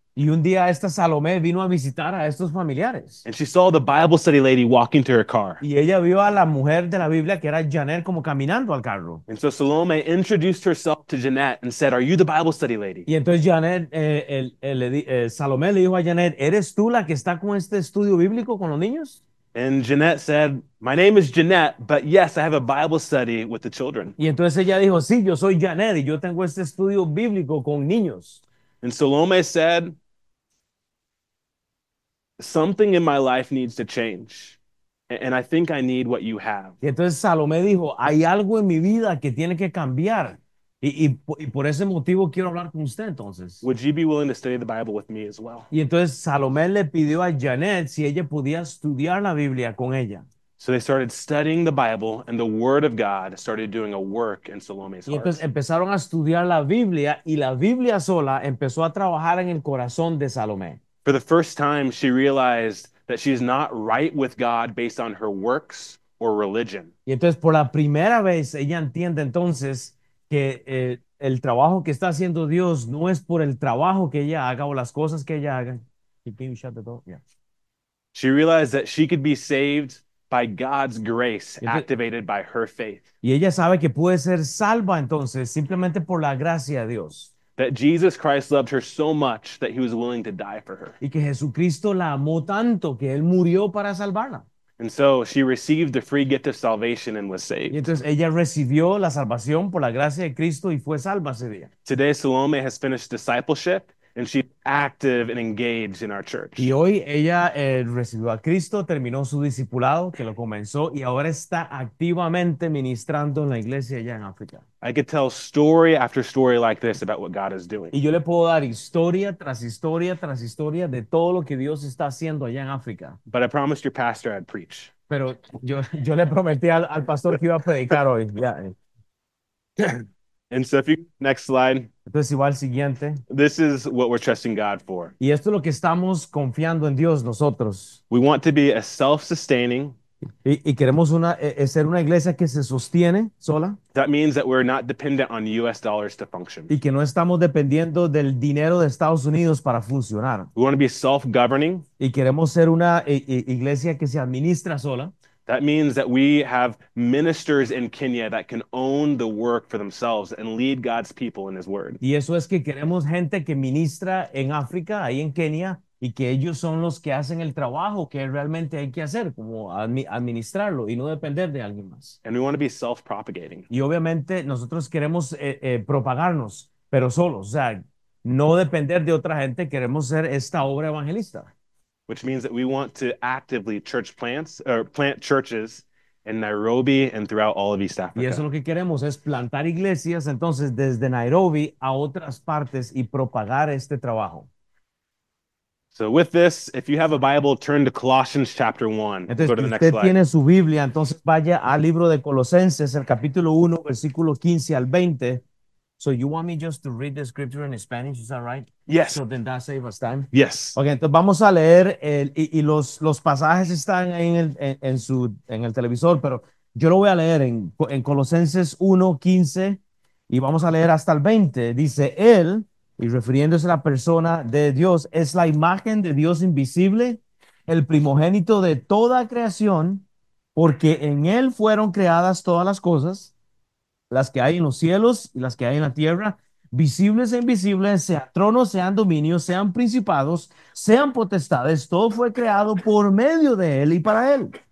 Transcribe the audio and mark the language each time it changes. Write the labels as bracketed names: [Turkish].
[Spanish] Y un día esta Salomé vino a visitar a estos familiares. [English] And she saw the Bible study lady walking to her car. [Spanish] Y ella vio a la mujer de la Biblia, que era Janet, como caminando al carro. [English] And so Salome introduced herself to Janet and said, "Are you the Bible study lady?" [Spanish] Y entonces Janet, Salomé le dijo a Janet, "¿Eres tú la que está con este estudio bíblico con los niños?" [English] And Janet said, "My name is Janet, but yes, I have a Bible study with the children." [Spanish] Y entonces ella dijo, "Sí, yo soy Janet y yo tengo este estudio bíblico con niños." [English] And Salome said, "Something in my life needs to change, and I think I need what you have." [Spanish] Y entonces Salomé dijo, "Hay algo en mi vida que tiene que cambiar y por ese motivo quiero hablar con usted entonces." [English] Would you be willing to study the Bible with me as well? [Spanish] Y entonces Salomé le pidió a Janet si ella podía estudiar la Biblia con ella. [English] So they started studying the Bible, and the Word of God started doing a work in Salome's [Spanish] Y [English] heart. [Spanish] entonces empezaron a estudiar la Biblia y la Biblia sola empezó a trabajar en el corazón de Salomé. [English] For the first time, she realized that she is not right with God based on her works or religion. [Spanish] Y entonces por la primera vez ella entiende entonces que el trabajo que está haciendo Dios no es por el trabajo que ella haga o las cosas que ella haga. [English] Can you shut the door? Yeah. She realized that she could be saved by God's grace [Spanish] Y entonces, [English] activated by her faith. [Spanish] y ella sabe que puede ser salva entonces simplemente por la gracia de Dios. [English] That Jesus Christ loved her so much that he was willing to die for her. [Spanish] Y que Jesucristo la amó tanto que él murió para salvarla. [English] And so she received the free gift of salvation and was [Spanish] Y [English] saved. [Spanish] entonces ella recibió la salvación por la gracia de Cristo y fue salva ese día. [English] Today, Salome has finished discipleship and she's active and engaged in our church. [Spanish] Y hoy ella recibió a Cristo, terminó su discipulado, que lo comenzó y ahora está activamente ministrando en la iglesia allá en África. [English] I could tell story after story like this about what God is doing. [Spanish] Y yo le puedo dar historia tras historia tras historia de todo lo que Dios está haciendo allá en África. [English] But I promised your pastor I'd preach. [Spanish] Pero yo le prometí al pastor que iba a predicar hoy. [English] Yeah. And so if you, next slide. [Spanish] Entonces, igual, siguiente. [English] This is what we're trusting God for. [Spanish] Y esto es lo que estamos confiando en Dios nosotros. [English] We want to be a self-sustaining. [Spanish] Y queremos ser una iglesia que se sostiene sola. [English] That means that we're not dependent on U.S. dollars to function. [Spanish] Y que no estamos dependiendo del dinero de Estados Unidos para funcionar. [English] We want to be self-governing. [Spanish] Y queremos ser una iglesia que se administra sola. [English] That means that we have ministers in Kenya that can own the work for themselves and lead God's people in His Word. [Spanish] Y eso es que queremos gente que ministra en África, ahí en Kenia, y que ellos son los que hacen el trabajo que realmente hay que hacer, como administrarlo y no depender de alguien más. [English] And we want to be self-propagating. [Spanish] Y obviamente nosotros queremos propagarnos, pero solos, o sea, no depender de otra gente, queremos ser esta obra evangelista. [English] Which means that we want to actively church plants or plant churches in Nairobi and throughout all of East [Spanish] Y eso [English] Africa. [Spanish] lo que queremos es plantar iglesias entonces desde Nairobi a otras partes y propagar este trabajo. [English] So with this, if you have a Bible, turn to Colossians chapter 1. [Spanish] Entonces, [English] Go to [Spanish] si [English] the next [Spanish] usted [English] slide. [Spanish] tiene su Biblia, entonces vaya al libro de Colosenses, el capítulo 1, versículo 15 al 20. [English] So you want me just to read the scripture in Spanish, is that right? Yes. So then that saves us time. Yes. [Spanish] Okay, entonces vamos a leer y los pasajes están ahí en el televisor, pero yo lo voy a leer en Colosenses 1, 15 y vamos a leer hasta el 20. Dice, él, y refiriéndose a la persona de Dios, es la imagen de Dios invisible, el primogénito de toda creación, porque en él fueron creadas todas las cosas, las que hay en los cielos y las que hay en la tierra, visibles e invisibles, sea trono, sean dominios, sean principados, sean potestades, todo fue creado por medio de él y para él.